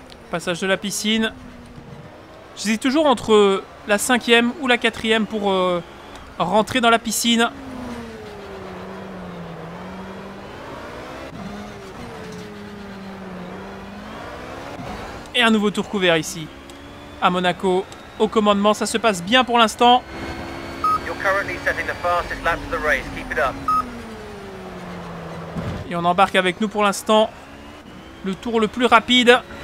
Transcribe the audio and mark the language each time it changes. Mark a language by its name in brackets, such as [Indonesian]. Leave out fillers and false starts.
[French] Passage de la piscine. J'hésite toujours entre la cinquième ou la quatrième pour rentrer dans la piscine. Et un nouveau tour couvert ici, à Monaco, au commandement. Ça se passe bien pour l'instant. [English] You're currently setting the fastest lap to the race. Keep it up. [French] Et on embarque avec nous pour l'instant le tour le plus rapide.